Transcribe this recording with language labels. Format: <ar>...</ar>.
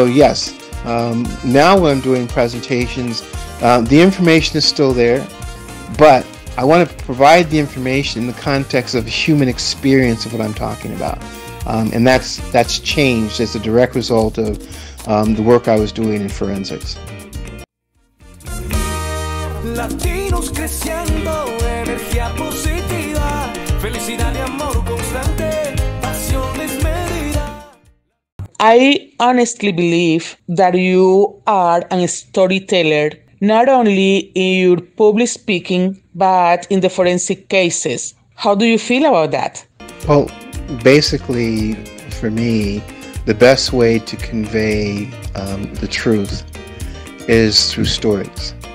<en>Now when I'm doing presentations, the information is still there, but I want to provide the information in the context of human experience of what I'm talking about. And that's changed as a direct result of the work I was doing in forensics.</en> <es>Latinos creciendo, energía positiva, felicidad y amor constante, pasión desmedida.</es> <en>I honestly believe that you are a storyteller, not only in your public speaking, but in the forensic cases. How do you feel about that? Well, basically, for me, the best way to convey the truth is through stories.</en>